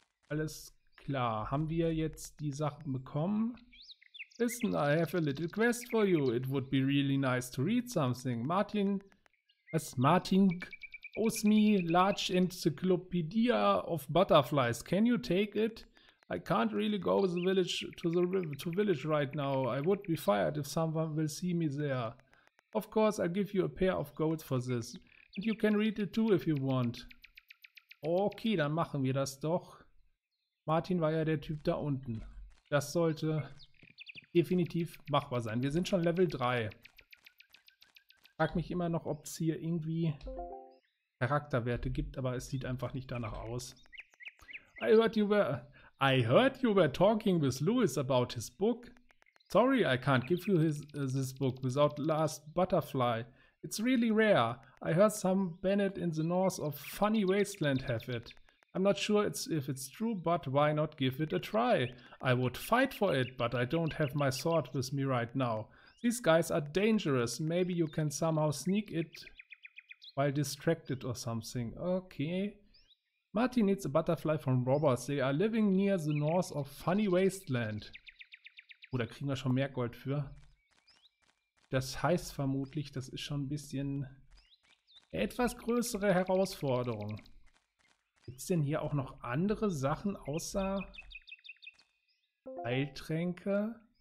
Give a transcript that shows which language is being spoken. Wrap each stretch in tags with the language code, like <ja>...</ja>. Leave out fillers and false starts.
<de>Alles klar, haben wir jetzt die Sachen bekommen?</de> <en>Listen, I have a little quest for you. It would be really nice to read something. Martin, as Martin... Osmi, large encyclopedia of butterflies. Can you take it? I can't really go to the village right now. I would be fired if someone will see me there. Of course, I'll give you a pair of goats for this. And you can read it too if you want.</en> <de>Okay, dann machen wir das doch. Martin war ja der Typ da unten. Das sollte definitiv machbar sein. Wir sind schon Level 3. Frag mich immer noch, ob es hier irgendwie Charakterwerte gibt, aber es sieht einfach nicht danach aus.</de> <en>I heard you were talking with Louis about his book. Sorry, I can't give you this book without Last Butterfly. It's really rare. I heard some Bennett in the north of Funny Wasteland have it. I'm not sure if it's true, but why not give it a try? I would fight for it, but I don't have my sword with me right now. These guys are dangerous. Maybe you can somehow sneak it... while distracted or something. Okay. Martin needs a butterfly from robbers. They are living near the north of Funny Wasteland.</en> <de>Oh, da kriegen wir schon mehr Gold für. Das heißt vermutlich, das ist schon ein bisschen etwas größere Herausforderung. Gibt es denn hier auch noch andere Sachen außer Heiltränke?</de>